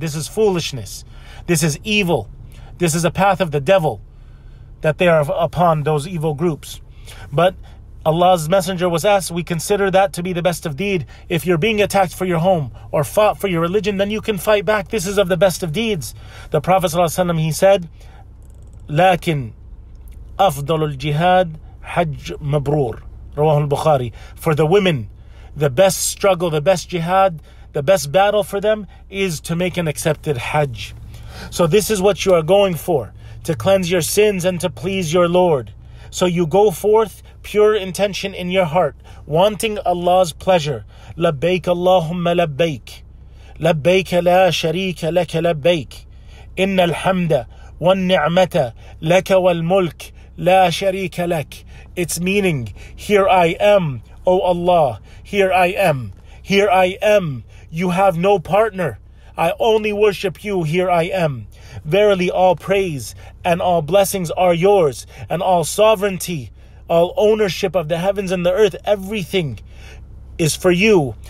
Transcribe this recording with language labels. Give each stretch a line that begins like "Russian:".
English: This is foolishness. This is evil. This is a path of the devil that they are upon, those evil groups. But Allah's Messenger was asked, we consider that to be the best of deed. If you're being attacked for your home or fought for your religion, then you can fight back. This is of the best of deeds. The Prophet ﷺ, he said,
Arabic: لكن أفضل الجهاد حج مبرور. رواه البخاري.
English: For the women, the best struggle, the best jihad, the best battle for them is to make an accepted Hajj. So this is what you are going for, to cleanse your sins and to please your Lord. So you go forth, pure intention in your heart, wanting Allah's pleasure.
Arabic: لبيك اللهم لبيك لبيك لا شريك لك لبيك إن الحمد والنعمة لك والملك لا شريك لك.
English: It's meaning, here I am, O Allah, here I am, here I am. You have no partner. I only worship you, here I am. Verily all praise and all blessings are yours, and all sovereignty, all ownership of the heavens and the earth, everything is for you.